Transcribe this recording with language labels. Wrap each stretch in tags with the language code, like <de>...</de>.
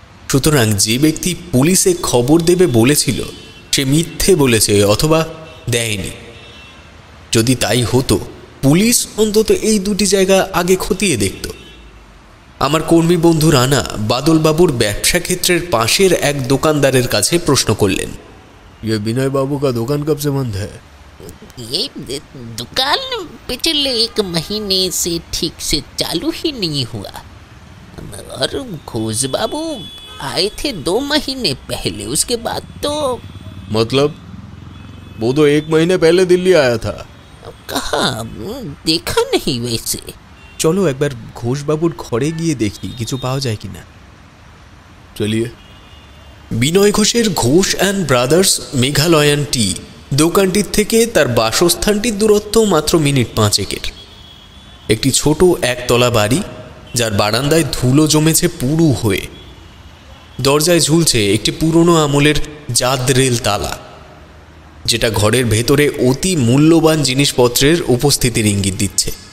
<bn>সুতরাং যে ব্যক্তি পুলিশে খবর দেবে বলেছিল সে মিথ্যে বলেছে অথবা দেয়নি। যদি তাই হতো পুলিশ অন্তত এই দুটি জায়গা আগে খতিয়ে দেখত। আমার কর্মী বন্ধু রানা বাদলবাবুর ব্যবসা ক্ষেত্রের পাশের এক দোকানদারের কাছে প্রশ্ন করলেন,</bn> <hi>ইয়ে বিনয় বাবু কা দোকান কব সে বন্ধ হ্যায়? ये दुकान पिछले एक महीने से ठीक से चालू ही नहीं हुआ, और घोष बाबू आए थे दो महीने पहले, उसके बाद तो मतलब वो तो एक महीने पहले दिल्ली आया था, कहा देखा नहीं वैसे।</hi> <bn>चलो एक बार घोष बाबू घरे गए देखी किछु पाओ जाए कि ना।</bn> <hi>चलिए।</hi> <bn>विनय घोषेर Ghosh and brothers Meghalayan T দোকানটির থেকে তার বাসস্থানটির দূরত্ব মাত্র মিনিট পাঁচেকের। একটি ছোট একতলা বাড়ি যার বারান্দায় ধুলো জমেছে পুরু হয়ে, দরজায় ঝুলছে একটি পুরনো আমলের জাদরেল তালা, যেটা ঘরের ভেতরে অতি মূল্যবান জিনিসপত্রের উপস্থিতির ইঙ্গিত দিচ্ছে।</bn>